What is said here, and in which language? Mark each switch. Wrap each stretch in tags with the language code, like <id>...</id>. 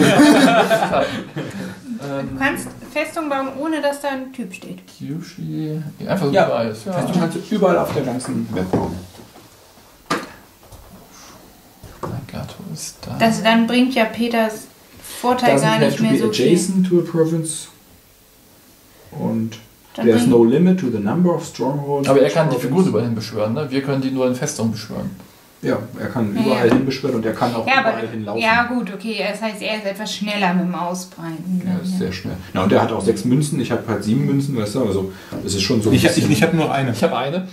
<de>Du kannst Festung bauen, ohne dass da ein Typ steht. Kyushi. Einfach ja, überall. Ja. Festung kannst du überall auf der ganzen Welt bauen. Mein Gott, wo ist da? Das dann bringt ja Peters Vorteil gar nicht mehr so viel.</de> <en>Adjacent to a province.</en> <de>Und.</de> <en>There is no limit to the number of strongholds.</en> <de>Aber er kann die Figur überall hin beschwören, ne? Wir können die nur in Festung beschwören. Ja, er kann überall hin beschwören und er kann auch überall aber, hinlaufen. Ja, gut, okay. Das heißt, er ist etwas schneller mit dem Ausbreiten. Ja, ist sehr schnell. Na, und er hat auch 6 Münzen. Ich habe halt 7 Münzen, weißt du? Also, es ist schon so. Ich habe nur eine. Ich habe eine?</de>